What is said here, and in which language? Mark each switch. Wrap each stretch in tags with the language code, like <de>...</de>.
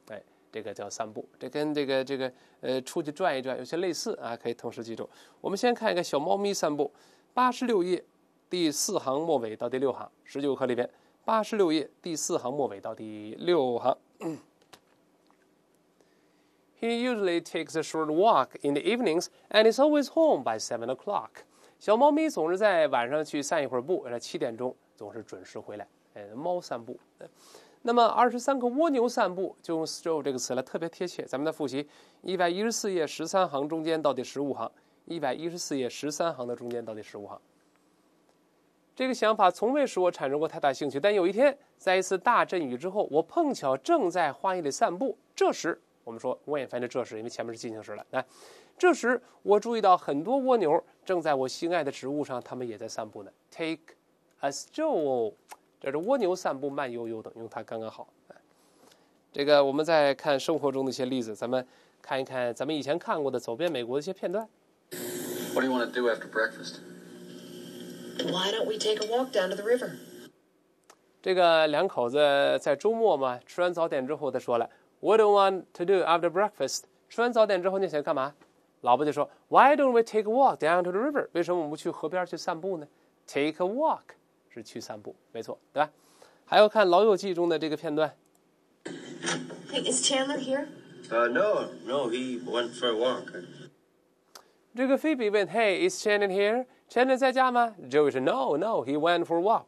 <zh>哎，这个叫散步，这跟这个出去转一转有些类似啊，可以同时记住。我们先看一个小猫咪散步，86页第四行末尾到第六行，十九课里边86页第四行末尾到第六行。</zh> <en>He usually takes a short walk in the evenings and is always home by 7 o'clock.</en> <zh>小猫咪总是在晚上去散一会儿步，7点钟总是准时回来。哎，猫散步。那么23课蜗牛散步就用 stroll 这个词了，特别贴切。咱们再复习114页13行中间到第15行，114页13行的中间到第15行。这个想法从未使我产生过太大兴趣，但有一天在一次大阵雨之后，我碰巧正在花园里散步。这时我们说 when， 反正这时因为前面是进行时了。来，这时我注意到很多蜗牛正在我心爱的植物上，它们也在散步呢。</zh> <en>Take a stroll，</en> <zh>这是蜗牛散步慢悠悠的，用它刚刚好。这个我们再看生活中的一些例子，咱们看一看咱们以前看过的走遍美国的一些片段。</zh> <en>What do you want to do after breakfast? Why don't we take a walk down to the river?</en> <zh>这个两口子在周末嘛，吃完早点之后他说了</zh> <en>What do you want to do after breakfast?</en> <zh>吃完早点之后你想干嘛？老婆就说</zh> <en>Why don't we take a walk down to the river?</en> <zh>为什么我们不去河边去散步呢？</zh> <en>Take a walk</en> <zh>是去散步，没错，对吧？还要看《老友记》中的这个片段。</zh> <en>Hey, is Chandler here? No, he went for a walk. 这个 Phoebe 问 ，Hey, is Chandler here? Chandler</en> <zh>在家吗</zh> <en>？Joey 说 ，No, he went for a walk.</en>